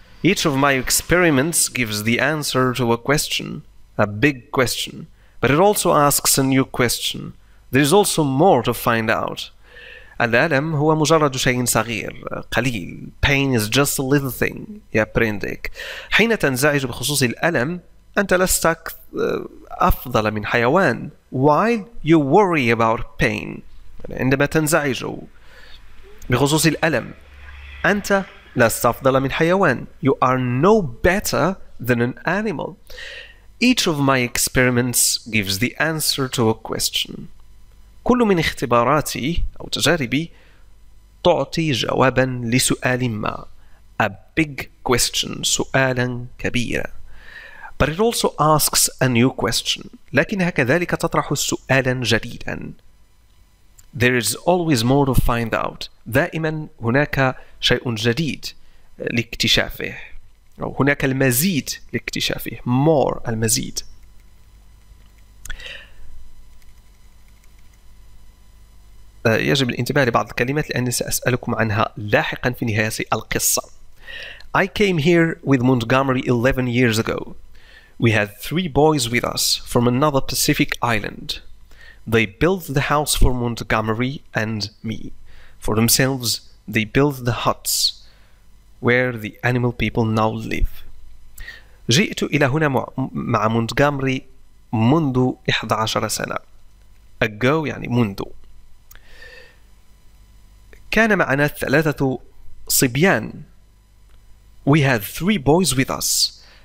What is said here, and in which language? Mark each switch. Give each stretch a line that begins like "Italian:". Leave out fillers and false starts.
English: Each of my experiments gives the answer to a question, a big question, but it also asks a new question. There is also more to find out.
Arabic: الألم هو مجرد شيء صغير قليل.
English: Pain is just a little thing, يا Prinzik.
Arabic: حين تنزعج بخصوص الألم أنت لست أفضل من حيوان.
English: While you worry about pain,
Arabic: عندما تنزعج بخصوص الألم أنت لست أفضل من حيوان.
English: You are no better than an animal. Each of my experiments gives the answer to a question.
Arabic: كل من اختباراتي أو تجاربي تعطي جوابا لسؤال ما.
English: A big question,
Arabic: سؤالا كبيرا.
English: But it also asks a new question.
Arabic: لكنها كذلك تطرح سؤالا جديدا.
English: There is always more to find out.
Arabic: دائما هناك شيء جديد لاكتشافه. أو هناك المزيد لاكتشافه. More, المزيد. يجب الانتباه لبعض الكلمات لأنني سأسألكم عنها لاحقا في نهاية القصة.
English: I came here with Montgomery 11 years ago. We had three boys with us from another Pacific island. They built the house for Montgomery and me. For themselves, they built the huts where the animal people now live.
Arabic: جئت إلى هنا مع مونتغامري منذ 11 سنة. Ago يعني منذ. كان معنا ثلاثة صبيان.
English: We had three boys with us.